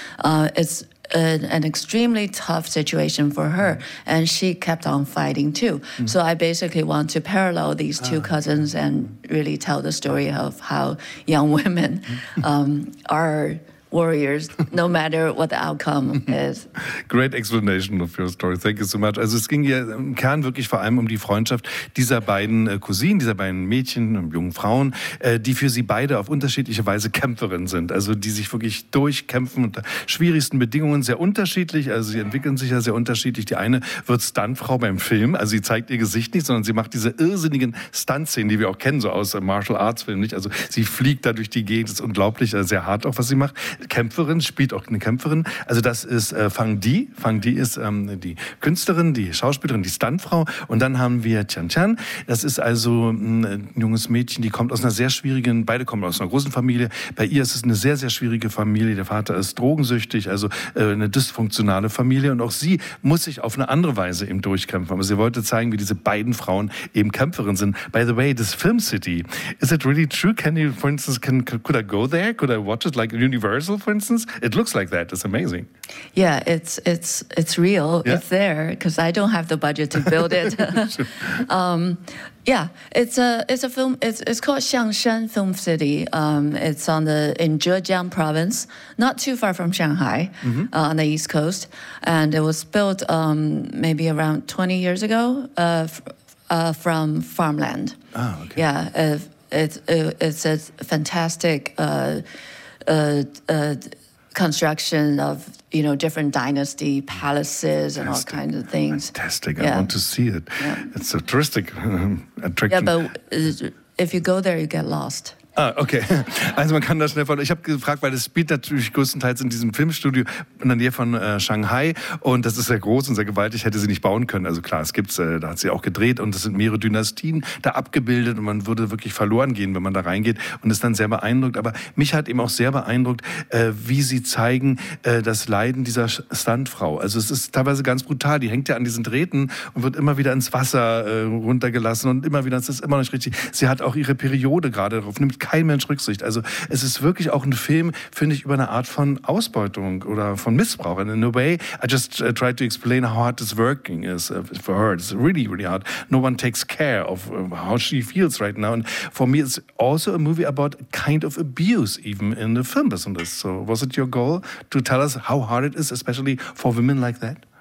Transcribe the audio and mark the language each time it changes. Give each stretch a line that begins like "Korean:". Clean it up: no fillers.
English: It's an extremely tough situation for her, and she kept on fighting too. So I basically want to parallel these two cousins and really tell the story of how young women are warriors, no matter what the outcome is. Great explanation of your story. Thank you so much.
German: Also es ging ja im Kern wirklich vor allem um die Freundschaft dieser beiden Cousinen, dieser beiden Mädchen und jungen Frauen, die für sie beide auf unterschiedliche Weise Kämpferinnen sind. Also die sich wirklich durchkämpfen unter schwierigsten Bedingungen, sehr unterschiedlich. Also sie entwickeln sich ja sehr unterschiedlich. Die eine wird Stuntfrau beim Film. Also sie zeigt ihr Gesicht nicht, sondern sie macht diese irrsinnigen Stuntszenen, die wir auch kennen, so aus Martial-Arts-Filmen, nicht? Also sie fliegt da durch die Gegend. Das ist unglaublich, sehr hart auch, was sie macht. Kämpferin, spielt auch eine Kämpferin. Also das ist Fang Di. Fang Di ist die Künstlerin, die Schauspielerin, die Stuntfrau. Und dann haben wir Tian Tian. Das ist also ein junges Mädchen, die kommt aus einer sehr schwierigen, beide kommen aus einer großen Familie. Bei ihr ist es eine sehr, sehr schwierige Familie. Der Vater ist drogensüchtig, also eine dysfunktionale Familie. Und auch sie muss sich auf eine andere Weise eben durchkämpfen. Aber sie wollte zeigen, wie diese beiden Frauen eben Kämpferin sind.
English: By the way, this Film City, is it really true? Can you, for instance, could I go there? Could I watch it like a universe? For instance, it looks like that. It's amazing. Yeah, it's real. Yeah. It's there because I don't have the budget to build it. it's a film. It's called Xiangshan Film City. It's on the in Zhejiang Province, not too far from Shanghai, on the east coast, and it was built maybe around 20 years ago. from farmland. Oh, okay. Yeah, it's a fantastic construction of, you know, different dynasty palaces fantastic. And all kinds of things. Fantastic. Yeah. I want to see it. Yeah. It's a touristic attraction. Yeah, but if you go there, you get lost.
German: Ah, okay. Also man kann da schnell von. Ich habe gefragt, weil das spielt natürlich größtenteils in diesem Filmstudio in der Nähe von Shanghai und das ist sehr groß und sehr gewaltig, hätte sie nicht bauen können. Also klar, es gibt's, da hat sie auch gedreht und es sind mehrere Dynastien da abgebildet und man würde wirklich verloren gehen, wenn man da reingeht und ist dann sehr beeindruckt. Aber mich hat eben auch sehr beeindruckt, wie sie zeigen das Leiden dieser Stuntfrau. Also es ist teilweise ganz brutal. Die hängt ja an diesen Drähten und wird immer wieder ins Wasser runtergelassen und immer wieder, das ist immer nicht richtig. Sie hat auch ihre Periode gerade drauf, nimmt kein Mensch Rücksicht. Also es ist wirklich auch ein Film, finde ich, über eine Art von Ausbeutung oder von Missbrauch.
English: And in a way, I just tried to explain how hard this working is for her. It's really, really hard. No one takes care of how she feels right now. And for me, it's also a movie about kind of abuse, even in the film business. So was it your goal to tell us how hard it is, especially for women like that?